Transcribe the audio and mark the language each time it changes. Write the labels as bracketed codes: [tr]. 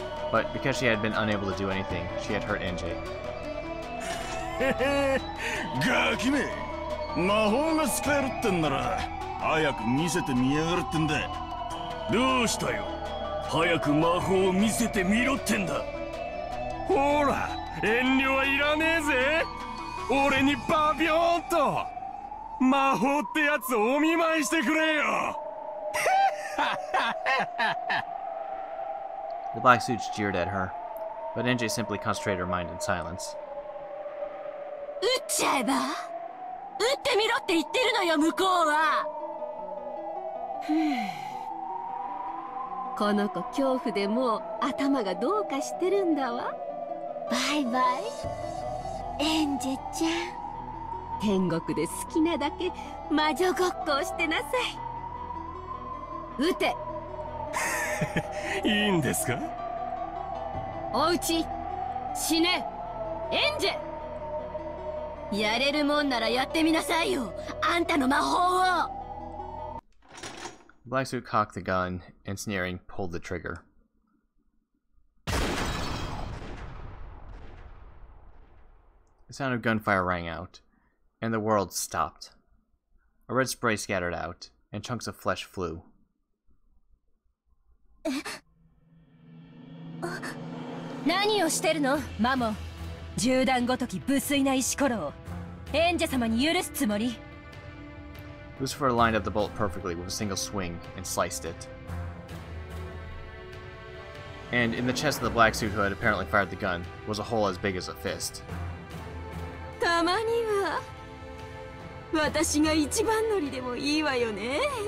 [en] But because she had been unable to do anything, she had hurt Angie. [ja] ガキめ、魔法が使えるってんなら早く見せてみやがるってんだ。どうしたよ、早く魔法を見せてみろってんだ。ほら、遠慮はいらねえぜ。俺にバビョーンと魔法ってやつをお見舞いしてくれよ。 [en] The black suits jeered at her, but NJ simply concentrated her mind in silence. [ja] 撃っちゃえば？撃ってみろって言ってるのよ、向こうは。この子、恐怖でもう頭がどうかしてるんだわ。バイバイ、エンジェちゃん。天国で好きなだけ魔女ごっこをしてなさい。撃て。いいんですか？おうち、死ね、エンジェ。やれるもんならやってみなさいよ、あんたの魔法を。 [en] Black suit cocked the gun and sneering pulled the trigger. The sound of gunfire rang out, and the world stopped. A red spray scattered out, and chunks of flesh flew. [ja] え？あ、何をしてるの、マモ。銃弾ごとき無粋な石ころを。エンジェ様に許すつもり。 [en] Lucifer lined up the bolt perfectly with a single swing and sliced it. And in the chest of the black suit who had apparently fired the gun was a hole as big as a fist. [ja] たまには私が一番乗りでもいいわよね。